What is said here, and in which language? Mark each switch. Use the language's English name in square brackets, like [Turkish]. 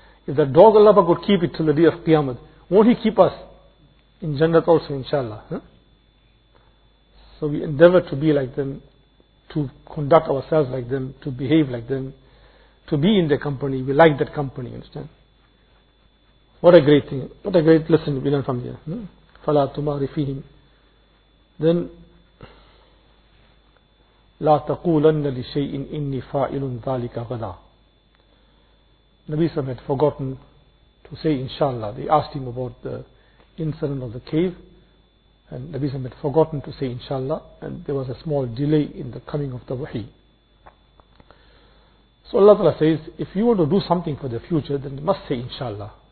[English] If the dog Allah Ta'ala could keep it till the day of Qiyamah, won't He keep us in Jannat also, inshallah. So we endeavor to be like them, to conduct ourselves like them, to behave like them, to be in their company. We like that company, understand? What a great thing. What a great lesson we learn from here. [Arabic] فَلَا تُمَارِ فِيهِمْ. Then, لَا تَقُولَنَّ لِشَيْءٍ إِنِّي فَاعِلٌ ذَلِكَ غَدًا. [English] Nabi Sallam had forgotten to say, inshallah. They asked him about the incident of the cave, and Nabi Sallam had forgotten to say inshallah, and there was a small delay in the coming of the wahi. So Allah Ta'ala says, if you want to do something for the future, then you must say inshallah.